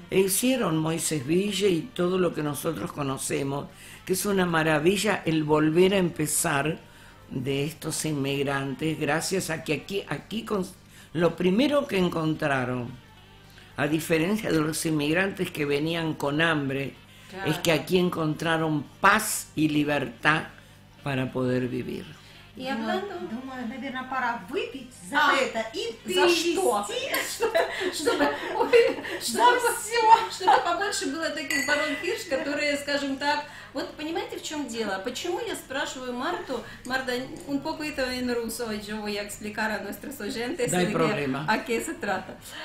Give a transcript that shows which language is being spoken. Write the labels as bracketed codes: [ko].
[es] E hicieron Moisés Ville y todo lo que nosotros conocemos, que es una maravilla el volver a empezar de estos inmigrantes, gracias a que aquí con lo primero que encontraron, a diferencia de los inmigrantes que venían con hambre, claro, es que aquí encontraron paz y libertad para poder vivir. Y hablando, [ru] наверное, пора выпить за это и перевести, чтобы побольше было таких барон Хирш, которые, скажем так. Вот понимаете, в чем дело? Почему я спрашиваю Марту, [es] Марта, un poquito en ruso, yo voy a explicar a nuestros oyentes, a qué se trata.